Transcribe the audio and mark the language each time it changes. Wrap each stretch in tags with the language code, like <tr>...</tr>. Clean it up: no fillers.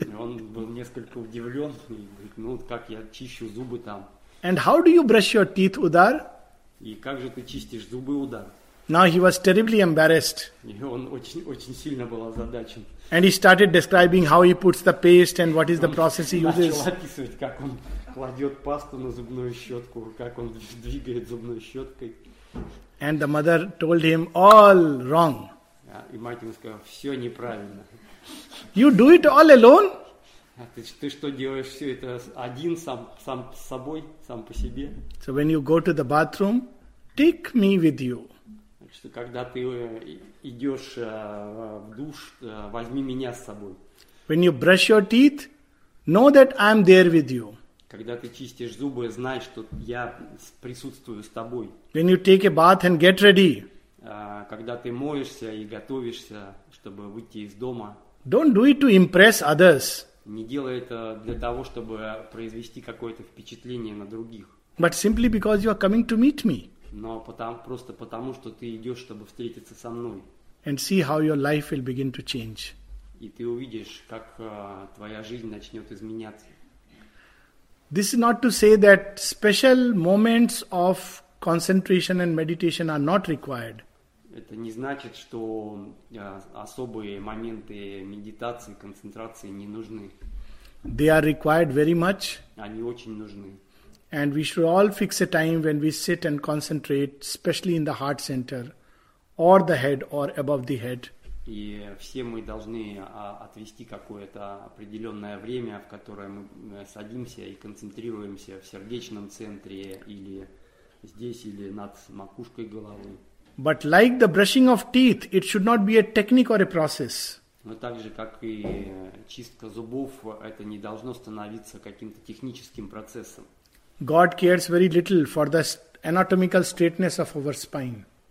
<ru>Он был несколько удивлен и говорит, ну, как я чищу зубы там.</ru> <en>And how do you brush your teeth, Udar?</en> <ru>И как же ты чистишь зубы, Удар?</ru> <en>Now he was terribly embarrassed.</en> <ru>И он очень, очень сильно был озадачен.</ru> <en>And he started describing how he puts the paste and what is the process he uses.</en> <ru>Начал описывать, как он кладет пасту на зубную щетку, как он двигает зубной щеткой.</ru> <en>And the mother told him all wrong.</en> <ru>И мать ему сказала, все неправильно.</ru> <en>You do it all alone?</en> <ru>Ты что делаешь все это один, сам с собой, сам по себе?</ru> <en>So when you go to the bathroom, take me with you.</en> <ru>Что когда ты идешь в душ, возьми меня с собой.</ru> <en>When you brush your teeth, know that I'm there with you.</en> <ru>Когда ты чистишь зубы, знай, что я присутствую с тобой.</ru> <en>When you take a bath and get ready.</en> <ru>Когда ты моешься и готовишься, чтобы выйти из дома.</ru> <en>Don't do it to impress others.</en> <ru>Не делай это для того, чтобы произвести какое-то впечатление на других.</ru> <en>But simply because you are coming to meet me.</en> <ru>Но просто потому, что ты идешь, чтобы встретиться со мной.</ru> <en>And see how your life will begin to change.</en> <ru>И ты увидишь, как твоя жизнь начнет изменяться.</ru> <en>This is not to say that special moments of concentration and meditation are not required.</en> <ru>Это не значит, что особые моменты медитации, концентрации не нужны.</ru> <en>They are required very much.</en> <ru>Они очень нужны.</ru> <en>And we should all fix a time when we sit and concentrate, especially in the heart center, or the head, or above the head.</en> <ru>И все мы должны отвести какое-то определенное время, в которое мы садимся и концентрируемся в сердечном центре, или здесь, или над макушкой головы.</ru> <en>But like the brushing of teeth, it should not be a technique or a process.</en> <ru>Но так же, как и чистка зубов, это не должно становиться каким-то техническим процессом.</ru> <en>God cares very little for the anatomical straightness of our spine.</en>